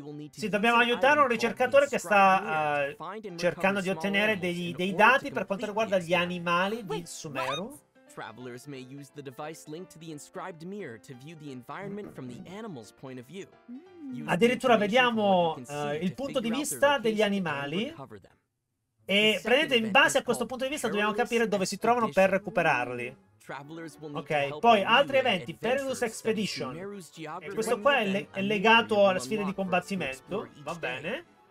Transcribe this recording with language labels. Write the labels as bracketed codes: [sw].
[it] Sì, dobbiamo aiutare un ricercatore che sta cercando di ottenere dei dati per quanto riguarda gli animali di Sumeru. [en] Travelers may use the device linked to the inscribed mirror to view the environment from the animal's point of view. [it] Addirittura vediamo il punto di vista degli animali e prendete in base a questo punto di vista dobbiamo capire dove si trovano per recuperarli. Ok, poi altri eventi. Perilous Expedition. Questo qua è legato alla sfida di combattimento. Va bene.